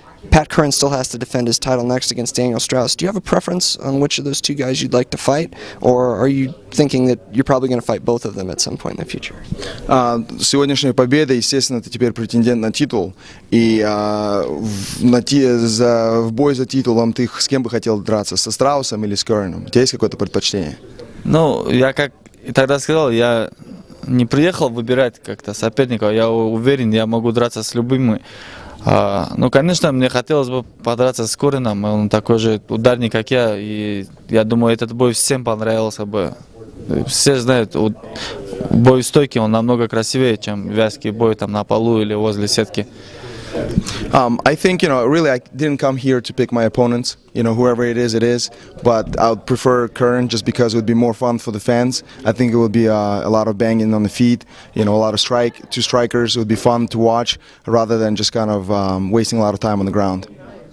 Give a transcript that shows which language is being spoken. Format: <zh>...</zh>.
<en>Pat Curran still has to defend his title next against Daniel Strauss. Do you have a preference on which of those two guys you'd like to fight, or are you thinking that you're probably going to fight both of them at some point in the future?</en> <ru>Сегодняшняя победа, естественно, ты теперь претендент на титул, и в бой за титулом ты с кем бы хотел драться, со Страусом или с Курреном? У тебя есть какое-то предпочтение? Ну, я как тогда сказал, я не приехал выбирать как-то соперника, я уверен, я могу драться с любым. Ну, конечно, мне хотелось бы подраться с Курреном, он такой же ударник, как я, и я думаю, этот бой всем понравился бы. Все знают, бой стойкий, он намного красивее, чем вязкий бой там на полу или возле сетки.</ru> <en>I think, you know, really I didn't come here to pick my opponents, you know, whoever it is, but I would prefer Curran just because it would be more fun for the fans. I think it would be a lot of banging on the feet, you know, a lot of two strikers, it would be fun to watch rather than just kind of wasting a lot of time on the ground.</en>